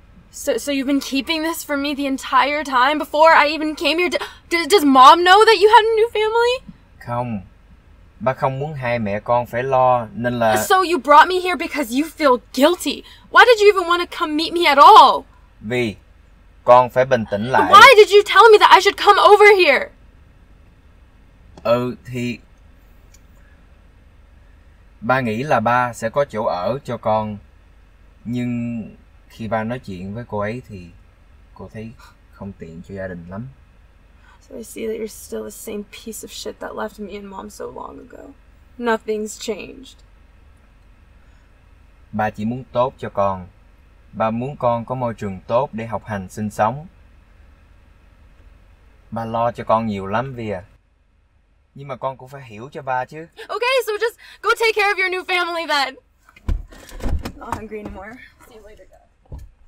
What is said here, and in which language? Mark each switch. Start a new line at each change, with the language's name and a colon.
English: So you've been keeping this from me the entire time before I even came here? Does mom know that you had a new family?
Vietnamese: Không, Ba không muốn hai mẹ con phải lo, nên là...
English: So you brought me here because you feel guilty. Why did you even want to come meet me at all?
Vietnamese: Vì con phải bình tĩnh lại.
English: Why did you tell me that I should come over here?
Vietnamese: Ừ, thì... Ba nghĩ là ba sẽ có chỗ ở cho con. Nhưng khi ba nói chuyện với cô ấy thì cô thấy không tiện cho gia đình lắm.
English: So I see that you're still the same piece of shit that left me and mom so long ago. Nothing's changed.
Vietnamese: Ba chỉ muốn tốt cho con. Ba muốn con có môi trường tốt để học hành sinh sống. Ba lo cho con nhiều lắm, Via. Nhưng mà con cũng phải hiểu cho ba chứ.
English: Okay, so just go take care of your new family then. I'm not hungry anymore. See you later, guys.